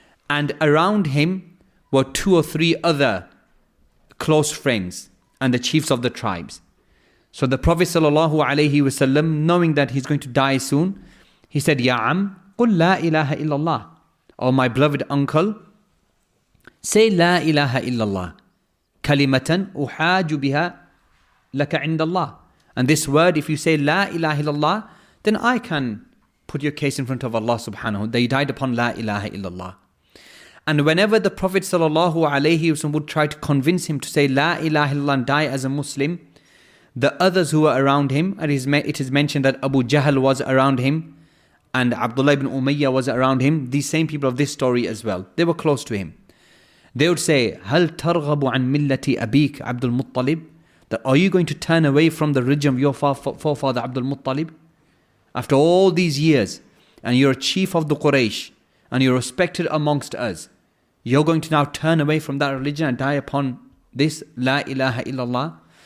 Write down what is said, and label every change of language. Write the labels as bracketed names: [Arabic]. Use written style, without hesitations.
[English] And around him were two or three other close friends and the chiefs of the tribes. So the Prophet sallallahu alayhi wasallam, knowing that he's going to die soon, he said, Ya Am, [Arabic] قُلْ لَا إِلَهَ إِلَّا اللَّهِ. [English] Oh, my beloved uncle, say La ilaha illallah. [Arabic] كَلِمَةً أُحَاجُ بِهَا لَكَ عِنْدَ اللَّهِ. [English] And this word, if you say La ilaha illallah, then I can put your case in front of Allah subhanahu, that you died upon La ilaha illallah. And whenever the Prophet sallallahu alayhi wasallam would try to convince him to say La ilaha illallah and die as a Muslim, the others who were around him, and it is mentioned that Abu Jahl was around him, and Abdullah ibn Umayyah was around him, these same people of this story as well, they were close to him. They would say, [Arabic] هَلْ تَرْغَبُ عَنْ مِلَّةِ أَبِيكَ عَبْدُ الْمُطَّلِبِ. [English] That are you going to turn away from the religion of your forefather Abdul Muttalib? After all these years, and you're a chief of the Quraysh, and you're respected amongst us, you're going to now turn away from that religion and die upon this La ilaha illallah?